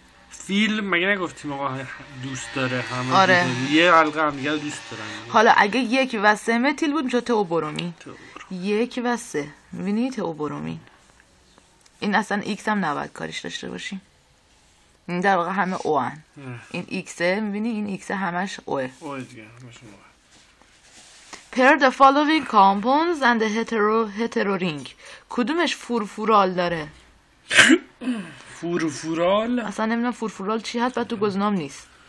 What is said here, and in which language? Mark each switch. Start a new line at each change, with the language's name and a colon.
Persian: فیل مگه نگفتیم آقا دوست داره همه؟ آره. یه علقه هم دیگه دوست دارن. حالا اگه یک و سه متیل بود میشه تئو برومین. یک و سه میبینی تئو برومین. این اصلا ایکس هم نباید کارش داشته باشیم، این در واقع همه او هن. این ایکسه میبینی، این ایکسه همش اوه، اوه دیگه همش اوه.
English: Pair the following compounds and the hetero ring.
Persian: کدومش فورفورال داره؟ فورفورال؟ اصلا نمیدونم فورفورال چی هست، بعد تو گزینام نیست.